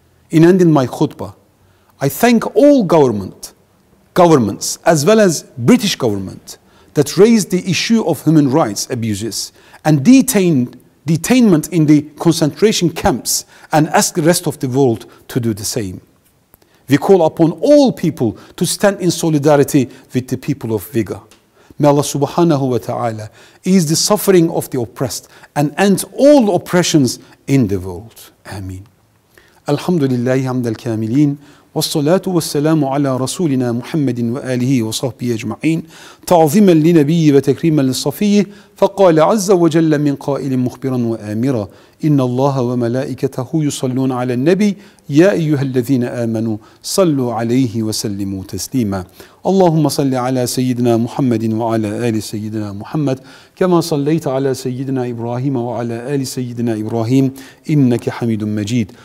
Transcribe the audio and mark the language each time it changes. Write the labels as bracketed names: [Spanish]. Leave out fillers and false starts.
[English] In ending my khutbah, I thank all governments, as well as British government, that raised the issue of human rights abuses and detainment in the concentration camps and ask the rest of the world to do the same. We call upon all people to stand in solidarity with the people of Uighur. May Allah subhanahu wa ta'ala ease the suffering of the oppressed and end all oppressions in the world. [Arabic] Ameen. Alhamdulillahi hamdal kamilin. والصلاة والسلام على رسولنا محمد وآله وصحبه أجمعين تعظيما لنبي وتكريما للصفي فقال عز وجل من قائل مخبرا وآمرا اِنَّ اللّٰهَ وَمَلَائِكَتَهُ يُصَلُّونَ عَلَى النَّبِي يَا اَيُّهَا الَّذ۪ينَ آمَنُوا صَلُّوا عَلَيْهِ وَسَلِّمُوا تَسْلِيمًا Allahümme salli ala seyyidina Muhammedin ve ala ali seyyidina Muhammed kema salleyte ala seyyidina İbrahim ve ala ali seyyidina İbrahim inneke hamidun mecid.